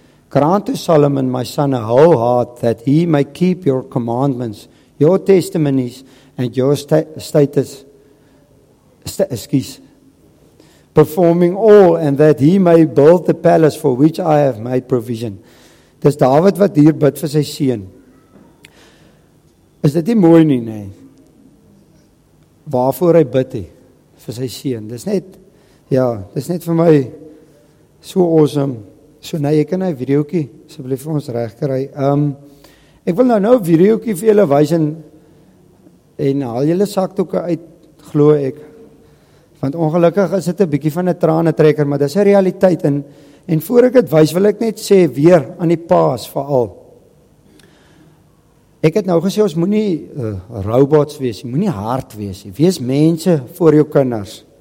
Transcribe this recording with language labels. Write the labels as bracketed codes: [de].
[en] Grant to Solomon, my son, a whole heart that he may keep your commandments, your testimonies, and your status, performing all, and that he may build the palace for which I have made provision. [af] Dis David wat hier bid vir sy seun. Is dit nie mooi nie, nee? Waarvoor hy bid hy? Vir sy seun. Dis net vir my so awesome. So nou, jy kan nou videoekie, asseblief vir ons regkry. Ek wil nou videoekie vir julle wys en haal julle sakdoeke uit, glo ek. Want ongelukkig is dit 'n bietjie van 'n tranentrekker, maar dis 'n realiteit. En voor ek dit wys, wil ek net sê weer aan die paas veral. Ek het nou gesê, ons moenie robots wees, moenie hard wees. Wees mense voor jou kinders.